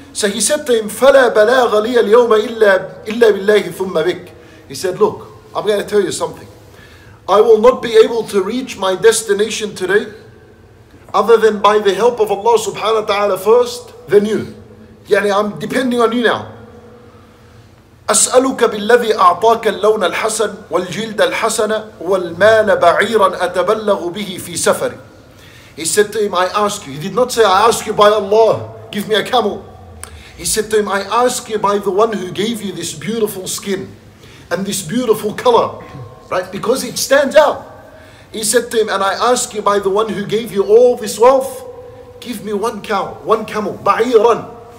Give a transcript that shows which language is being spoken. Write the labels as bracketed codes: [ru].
[en] So he said to him, [ar] فَلَا بَلَاغَ لِيَ الْيَوْمَ إِلَّا بِاللَّهِ ثُمَّ بِكْ [en] He said, look, I'm going to tell you something. I will not be able to reach my destination today other than by the help of Allah subhanahu wa ta'ala first, then you. يعني I'm depending on you now. [ar] أسألك بالذي أعطاك اللون الحسن والجلد الحسن والمال بعيرا أتبلغ به في سفري. [en] He said to him, I ask you. He did not say, I ask you by Allah, give me a camel. He said to him, I ask you by the one who gave you this beautiful skin and this beautiful color, right? Because it stands out. He said to him, and I ask you by the one who gave you all this wealth, give me one cow, one camel, بعيرا.